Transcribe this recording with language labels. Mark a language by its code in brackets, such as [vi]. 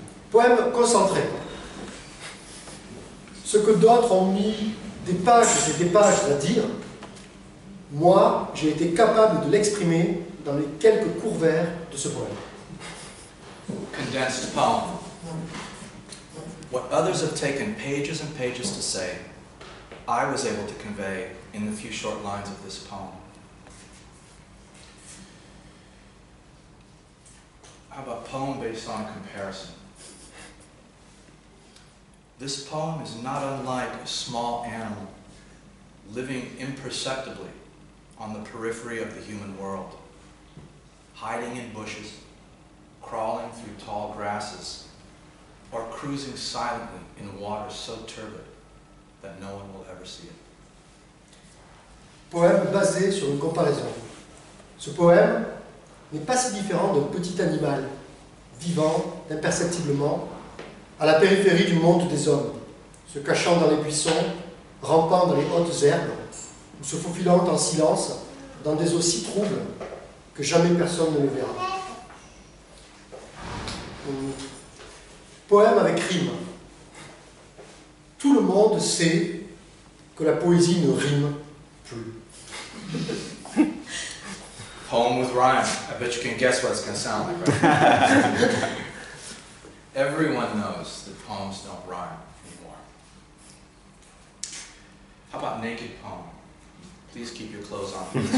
[fr] Poème concentré. Ce que d'autres ont mis des pages à dire, moi, j'ai été capable de l'exprimer dans les quelques courts vers de ce poème. [en] Condensed poem. What others have taken pages and pages to say, I was able to convey in the few short lines of this poem. How about poem based on comparison? This poem is not unlike a small animal living imperceptibly on the periphery of the human world, hiding in bushes, crawling through tall grasses, or cruising silently in water so turbid that no one will ever see it. [fr] Poème basé sur une comparaison. Ce poème n'est pas si différent d'un petit animal vivant imperceptiblement à la périphérie du monde des hommes, se cachant dans les buissons, rampant dans les hautes herbes, ou se faufilant en silence dans des eaux si troubles que jamais personne ne le verra. Poème avec rime. Tout le monde sait que la poésie ne rime plus. [en] Poem with rhyme. I bet you can guess what it's going to sound like, right? Everyone knows that poems don't rhyme anymore. How about naked poem? Please keep your clothes on.